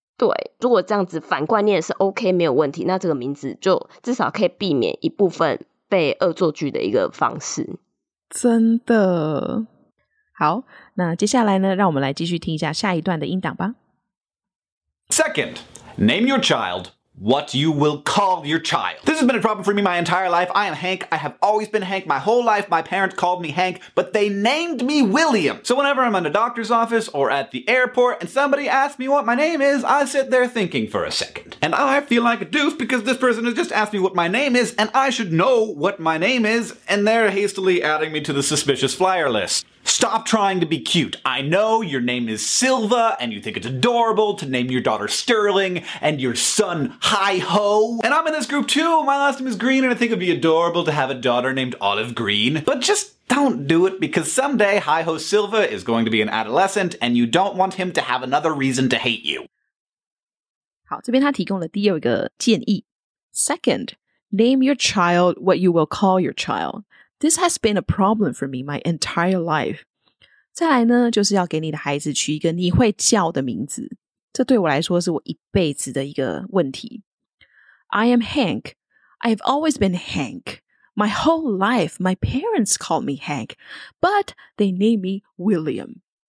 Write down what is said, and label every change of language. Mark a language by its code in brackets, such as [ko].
[zh] 对，如果这样子反过来念是 OK 没有问题，那这个名字就至少可以避免一部分被恶作剧的一个方式。真的。好，那接下来呢，让我们来继续听一下下一段的音档吧。 [en] Second, name your child. What you will call your child. This has been a problem for me my entire life. I am Hank. I have always been Hank. My whole life, my parents called me Hank, but they named me William. So whenever I'm in a doctor's office or at the airport and somebody asks me what my name is, I sit there thinking for a second. And I feel like a doof because this person has just asked me what my name is and I should know what my name is and they're hastily adding me to the suspicious flyer list. Stop trying to be cute. I know your name is Silva, and you think it's adorable to name your daughter Sterling, and your son Hi-Ho. And I'm in this group too. My last name is Green, and I think it'd be adorable to have a daughter named Olive Green. But just don't do it, because someday Hi-Ho Silva is going to be an adolescent, and you don't want him to have another reason to hate you. [zh] 好，这边他提供了第二个建议。 [en] Second, name your child what you will call your child. This has been a problem for me my entire life. [zh] 再来呢，就是要给你的孩子取一个你会叫的名字。这对我来说是我一辈子的一个问题。 [en] I am Hank. I have always been Hank. My whole life, my parents called me Hank. But they named me William.